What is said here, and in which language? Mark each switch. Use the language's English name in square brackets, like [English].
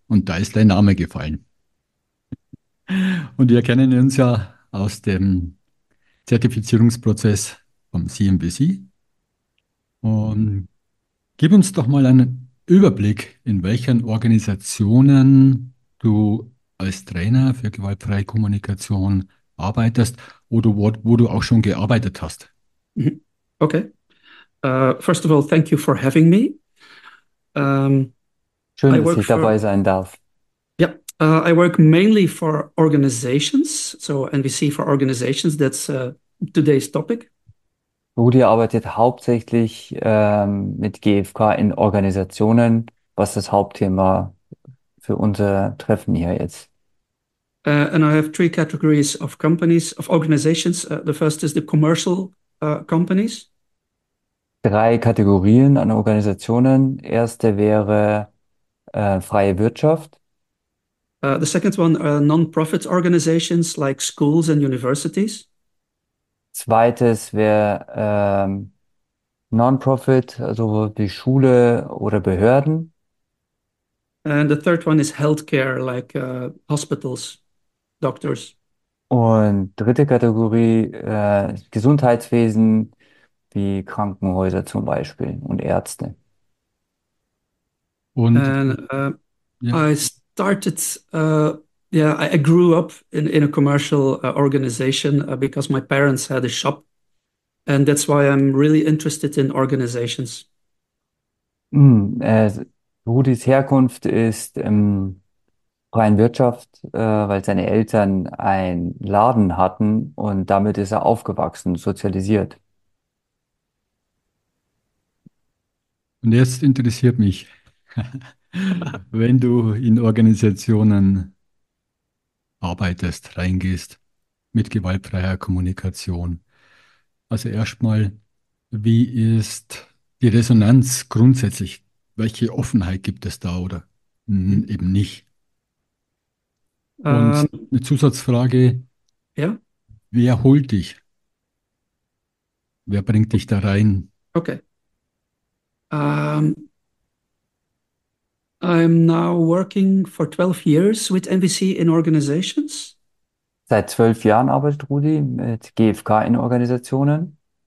[German] Und da ist dein Name gefallen. Und wir kennen uns ja aus dem Zertifizierungsprozess vom CNBC. Und gib uns doch mal einen Überblick, in welchen Organisationen du als Trainer für gewaltfreie Kommunikation arbeitest oder wo du auch schon gearbeitet hast. Okay. [English] First of all, thank you for having me. [German] Schön, dass ich dabei sein darf. [English] Yeah, I work mainly for organizations. So NVC for organizations, that's today's topic. [German] Rudi arbeitet hauptsächlich mit GfK in Organisationen, was das Hauptthema für unser Treffen hier jetzt. [English] And I have three categories of companies, of organizations. The first is the commercial companies. [German] Drei Kategorien an Organisationen. Erste wäre freie Wirtschaft. [English] The second one are non-profit organizations like schools and universities. [German] Zweites wäre non-profit, also die Schule oder Behörden. [English] And the third one is healthcare like hospitals. Doctors. [German] Und dritte Kategorie, Gesundheitswesen, wie Krankenhäuser zum Beispiel und Ärzte. [English] Und I started, I grew up in a commercial organization because my parents had a shop. And that's why I'm really interested in organizations. [German] Rudis Herkunft ist freien Wirtschaft, weil seine Eltern einen Laden hatten und damit ist er aufgewachsen, sozialisiert. Und jetzt interessiert mich, wenn du in Organisationen arbeitest, reingehst mit gewaltfreier Kommunikation. Also erstmal, wie ist die Resonanz grundsätzlich? Welche Offenheit gibt es da oder eben nicht? Und eine Zusatzfrage, ja? Wer holt dich? Wer bringt dich da rein? Okay. [English] I'm now working for 12 years with NVC in organizations. [German] Seit 12 Jahren arbeitet Rudi mit GfK in Organisationen.